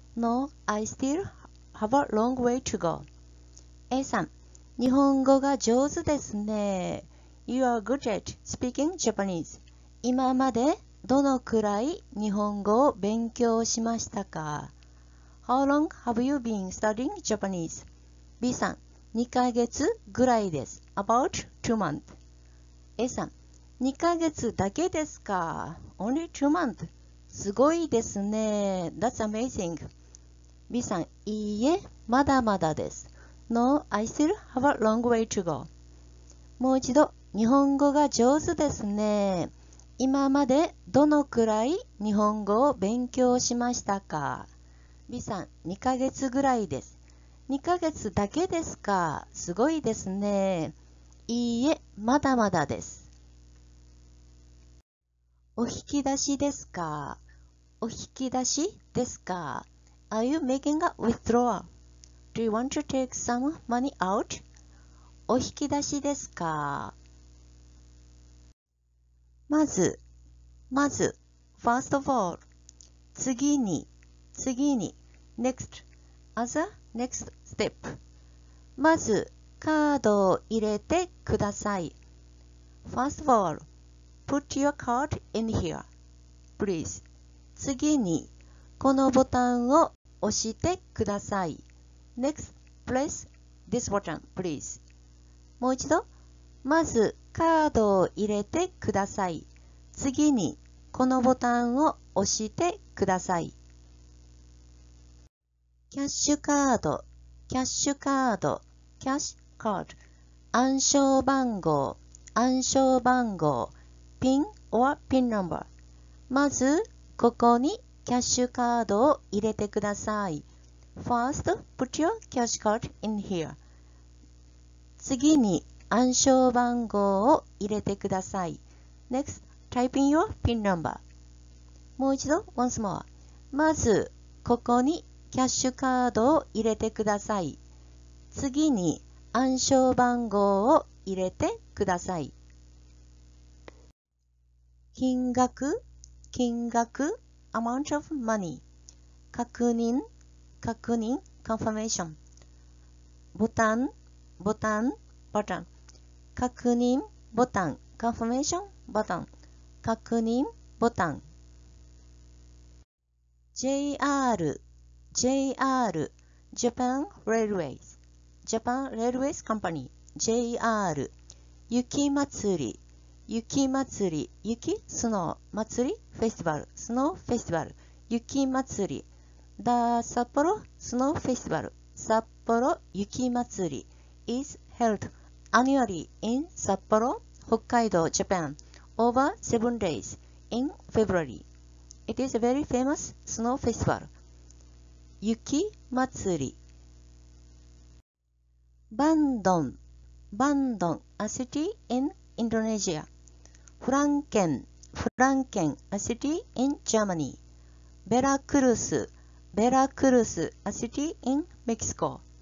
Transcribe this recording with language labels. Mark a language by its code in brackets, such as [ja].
[en] No, I still have a long way to go. [ja] A さん、日本語が上手ですね。 [en] You are good at speaking Japanese. [ja] 今までどのくらい日本語を勉強しましたか ? [en] How long have you been studying Japanese? [ja] B さん、2ヶ月ぐらいです。 [en] About 2 months. [ja] A さん、2ヶ月だけですか ? [en] Only 2 months. [ja] すごいですね。 [en] That's amazing. [ja] B さん、いいえ、まだまだです。 [en] No, I still have a long way to go. [ja] もう一度、日本語が上手ですね。今までどのくらい日本語を勉強しましたか ?B さん、2ヶ月ぐらいです。 2ヶ月だけですか?すごいですね。いいえ、まだまだです。お引き出しですか？お引き出しですか？ [en] Are you making a withdrawal? Do you want to take some money out? [ja] お引き出しですか？ [en] まず、first of all, 次に、next, as a next step. [ja] まず、カードを入れてください。 [en] First of all, put your card in here, please. [ja] 次に、このボタンを押してください。 [en] Next, press this button, please. [ja] もう一度、まず、カードを入れてください。次に、このボタンを押してください。キャッシュカード、Card. [en] 暗証番号、PIN or PIN number。まず、 [ja] ここにキャッシュカードを入れてください。 [en] First, put your cash card in here. [ja] 次に暗証番号を入れてください。 [en] Next, type in your PIN number. [ja] もう一度、 [en] once more. [ja] まず、ここにキャッシュカードを入れてください。次に暗証番号を入れてください。金額、金額、 [en] amount of money。 [ja] 確認、確認、confirmation。ボタン、ボタン、ボタン。確認、ボタン、confirmation、ボタン。確認、ボタン。 [en] JR、JR、Japan Railways、Japan Railways Company、JR、雪まつり、雪まつり、雪、スノー、まつり、フェスティバル、スノーフェスティバル、雪まつり、The Sapporo Snow Festival、札幌雪まつり、is held annually in Sapporo, Hokkaido, Japan, over 7 days in February. It is a very famous snow festival. [ja] 雪まつり。 [en] バンドン、バンドン、a city in Indonesia. フランケン、フランケン、a city in Germany. ベラクルス、ベラクルス、a city in Mexico.